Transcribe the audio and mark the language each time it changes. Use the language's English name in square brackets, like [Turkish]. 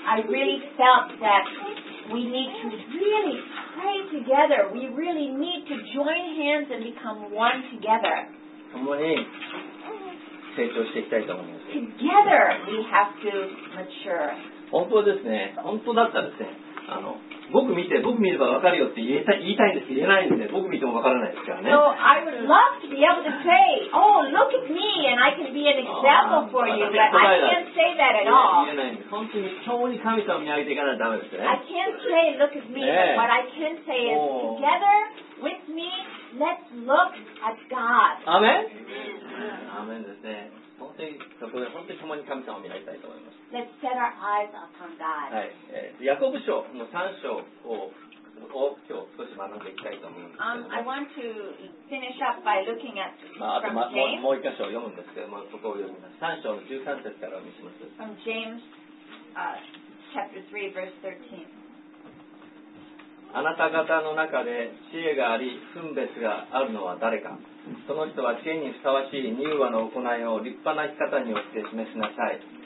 [English] I really felt that we need to really pray together. We really need to join hands and become one together. [Japanese] 共に成長していきたいと思います。 [English] Together we have to mature. [Japanese] 本当ですね。本当だったらですね。僕見れば分かるよって言いたいんですけど言えないんで、僕見ても分からないですからね。 [English] So I would love to be able to say, oh, look at me, and I can be an example for you, but I can't say that at all. [Japanese] 言えないんです。本当に超に神様を見上げていかないとダメですね。 [English] I can't say, look at me, but what I can say is, together with me, let's look at God. [Japanese] アメン。アメンですね。本当にそこで本当に共に神様を見られたいと思います。 [English] Let's set our eyes upon God. [Japanese] はい、ヤコブ書の3章を今日少し学んでいきたいと思うんですけど、 [English] I want to finish up by looking at from James. [Japanese] もう一箇所読むんですけど、まあ、そこを読みます。3章の13節からお見せします。 [English] From James, chapter 3, verse 13. [Japanese] あなた方の中で知恵があり、分別があるのは誰か。その人は知恵にふさわしい柔和の行いを立派な生き方によって示しなさい。